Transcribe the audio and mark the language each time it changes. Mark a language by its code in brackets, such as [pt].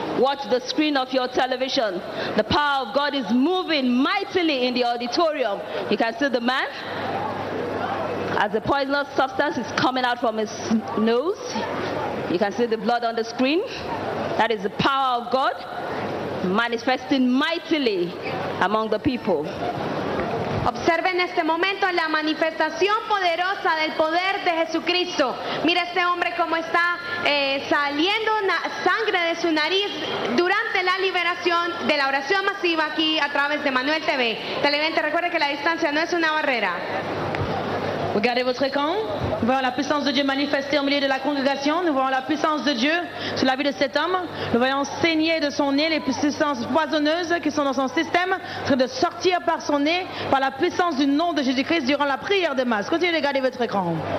[en] Watch the screen of your television. The power of God is moving mightily in the auditorium. You can see the man. As the poisonous substance is coming out from his nose, you can see the blood on the screen. That is the power of God manifesting mightily among the people. [es] Observe en este momento la manifestación poderosa del poder de Jesucristo. Mira este hombre cómo está saliendo sangre de su nariz durante la liberación de la oración masiva aquí a través de Manuel TV. Televidente, recuerde que la distancia no es una barrera. [fr] Regardez votre camp. Nous voyons la puissance de Dieu manifestée au milieu de la congrégation. Nous voyons la puissance de Dieu sur la vie de cet homme. Nous voyons saigner de son nez les puissances poisonneuses qui sont dans son système, en train de sortir par son nez, par la puissance du nom de Jésus-Christ durant la prière de masse. Continuez de regarder votre camp.